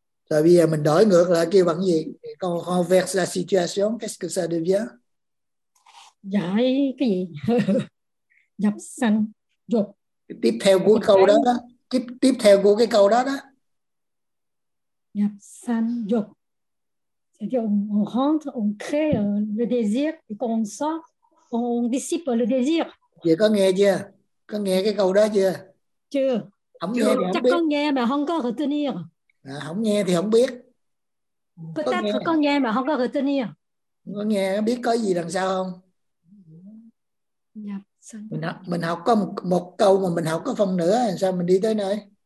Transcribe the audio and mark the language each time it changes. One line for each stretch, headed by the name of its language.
French: Ça vient,
Vietnamese: mình đổi ngược là cái bằng gì?
French: Quand on renverse la situation, qu'est-ce que ça devient?
Vietnamese: Giải cái gì? Nhập sanh dục. Tiếp theo của câu đó đó. Tiếp theo của cái câu đó đó. Nhập sanh dục.
French: C'est-à-dire on rentre, on crée le désir et quand on sort, on dissipe le désir.
Vietnamese: Vậy có nghe chưa? Có nghe cái câu đó chưa? Chưa. Không nghe thì chắc không có nghe mà không có retenir. À, không nghe thì không biết.
French: Peut-être
Vietnamese: có nghe mà không có retenir. Có nghe biết có gì đằng sau không? Nhập sanh. Mình học có một câu mà mình học có phần nữa, sao mình đi tới nơi?